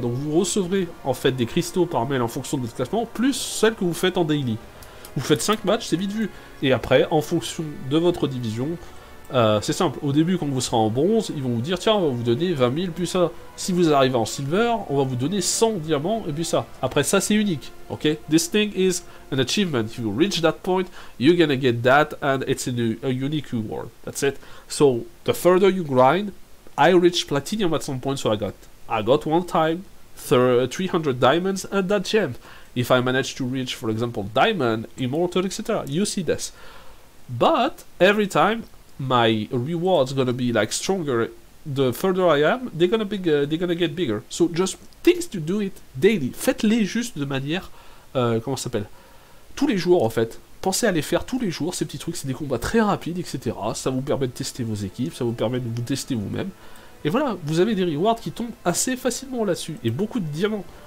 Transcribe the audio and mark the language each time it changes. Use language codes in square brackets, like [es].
[fr] Donc vous recevrez, en fait, des cristaux par mail en fonction de votre classement, plus celles que vous faites en daily. Vous faites 5 matchs, c'est vite vu. Et après, en fonction de votre division, c'est simple. Au début, quand vous serez en bronze, ils vont vous dire, tiens, on va vous donner 20 000, plus ça. Si vous arrivez en silver, on va vous donner 100 diamants, et puis ça. Après, ça, c'est unique. Ok? [en] This thing is... an achievement. If you reach that point, you're gonna get that, and it's in a unique reward. That's it. So the further you grind, I reached platinum at some point, so I got one time 300 diamonds and that gem. If I manage to reach, for example, diamond, immortal, etc., you see this. But every time my reward's gonna be like stronger. The further I am, they're gonna get bigger. So just things to do it daily. [fr] Faites-les juste de manière comment ça s'appelle? Tous les jours, en fait, pensez à les faire tous les jours, ces petits trucs, c'est des combats très rapides, etc. Ça vous permet de tester vos équipes, ça vous permet de vous tester vous-même. Et voilà, vous avez des rewards qui tombent assez facilement là-dessus, et beaucoup de diamants.